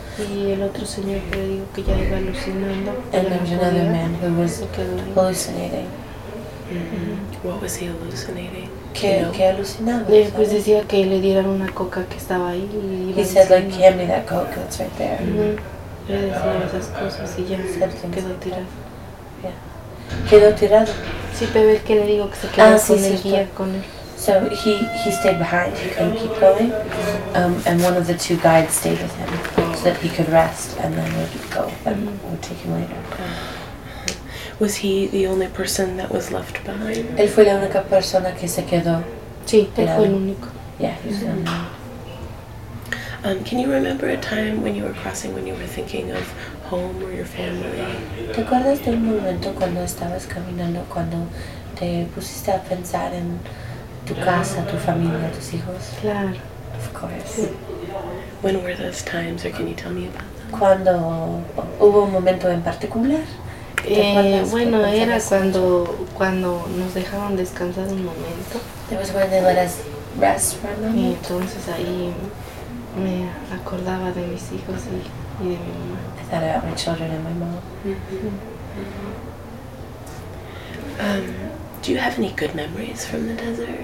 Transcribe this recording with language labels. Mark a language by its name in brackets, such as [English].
[Spanish] Y el otro señor que le dijo que ya iba alucinando. [English] And there was another man who was hallucinating. Mm-hmm. What was he hallucinating? [Spanish] ¿Qué alucinaba? Y después decía que le dieran una coca que estaba ahí. [English] He said, like, hand me that coke that's right there. Mm-hmm. [Spanish] Le decía esas cosas y ya quedó tirado. ¿Quedó tirado? Sí, pero es que le digo que se quedó con el guía, con él. [English] So he stayed behind, he couldn't keep going, and one of the two guides stayed with him, so that he could rest, and then would go, and would take him later. Was he the only person that was left behind? [Spanish] Él fue la única persona que se quedó. Sí, él fue el único. [English] Yeah, he was the only one. Can you remember a time when you were crossing when you were thinking of home or your family? [Spanish] ¿Te acuerdas de un momento cuando estabas caminando cuando te pusiste a pensar en tu casa, tu familia, tus hijos? Claro. [English] Of course. [Spanish] Sí. [English] When were those times, or can you tell me about them? [Spanish] ¿Cuándo hubo un momento en particular? Bueno, era cuando nos dejaron descansar un momento. [English] It was when they let us rest for a moment. [Spanish] Y entonces ahí me acordaba de mis hijos y de mi mamá. [English] I thought about my children and my mom. Do you have any good memories from the desert?